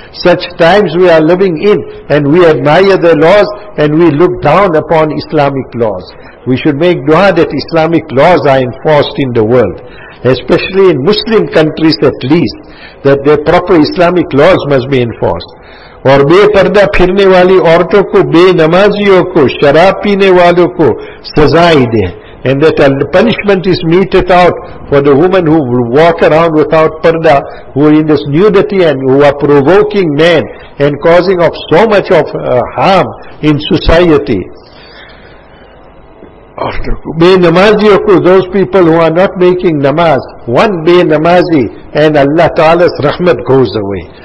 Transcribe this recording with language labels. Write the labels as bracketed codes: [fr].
[en] Such times we are living in, and we admire the laws and we look down upon Islamic laws. We should make dua that Islamic laws are enforced in the world, especially in Muslim countries at least, that their proper Islamic laws must be enforced. [ur] اور بے پردہ پھرنے والی عورتوں کو بے نمازیوں کو شراب پینے والوں کو سزائیں دیں. [en] And that punishment is meted out for the woman who walk around without parda, who are in this nudity and who are provoking men and causing of so much of harm in society. Be namazi, those people who are not making namaz, one be namazi and Allah Ta'ala's rahmat goes away.